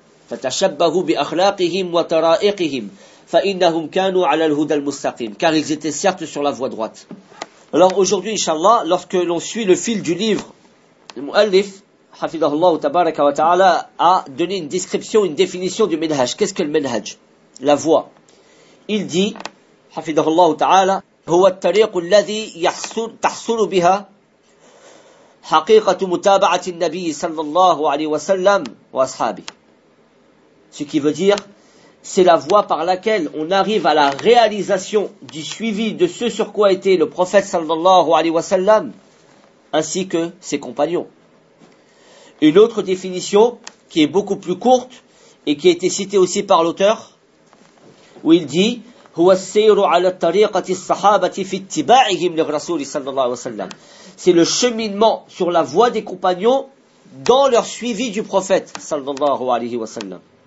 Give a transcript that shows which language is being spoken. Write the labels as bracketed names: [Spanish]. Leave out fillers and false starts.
[Arabic] فَتَشَبَّهُوا بِأَخْلَاقِهِمْ وَتَرَائِقِهِمْ فَإِنَّهُمْ كَانُوا عَلَى الْهُدَى الْمُسْتَقِيمِ. [French] Car ils étaient certes sur la voie droite. Alors aujourd'hui, Inch'Allah, lorsque l'on suit le fil du livre, le Mu'allif, Hafidahullah tabaraka wa ta'ala, a donné une description, une définition du manhaj. Qu'est-ce que le manhaj? La voie. Il dit, [Arabic] Hafidahullah ta'ala, هو الطريق الذي تحصل بها حقيقة متابعة النبي صلى الله عليه وسلم وأصحابه. [French] Ce qui veut dire, c'est la voie par laquelle on arrive à la réalisation du suivi de ce sur quoi était le prophète sallallahu alayhi wa sallam, ainsi que ses compagnons. Une autre définition, qui est beaucoup plus courte, et qui a été citée aussi par l'auteur, où il dit, c'est le cheminement sur la voie des compagnons dans leur suivi du prophète sallallahu alayhi wa sallam.